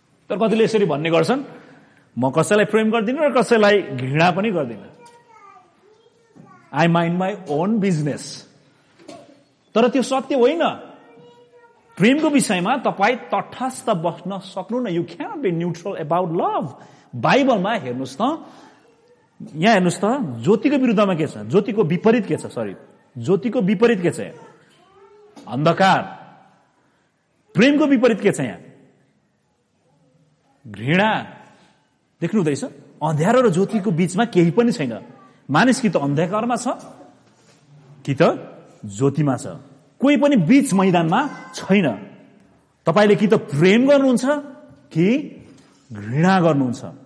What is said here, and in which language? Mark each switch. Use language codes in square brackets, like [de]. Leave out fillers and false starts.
[ne] तर कतिले यसरी भन्ने गर्छन्, म कसैलाई प्रेम गर्दिनँ र कसैलाई घृणा पनि गर्दिनँ, [en] I mind my own business. [ne] तर त्यो सत्य होइन। प्रेमको विषयमा तपाईँ तटस्थ बस्न सक्नुहुन्न। [en] You cannot be neutral about love. [ne] बाइबलमा हेर्नुहोस् त, यहाँ हेर्नुहोस् त, ज्योतिको विरुद्धमा के छ, ज्योतिको विपरीत के छ, सरी, ज्योतिको विपरीत के छ, अन्धकार। प्रेमको विपरीत के छ, यहाँ घृणा। देख्नुहुँदैछ, अँध्यारो र ज्योतिको बीचमा केही पनि छैन। मानिस कि त अन्धकारमा छ कि त ज्योतिमा छ, कोही पनि बीच मैदानमा छैन। तपाईँले कि त प्रेम गर्नुहुन्छ कि घृणा गर्नुहुन्छ।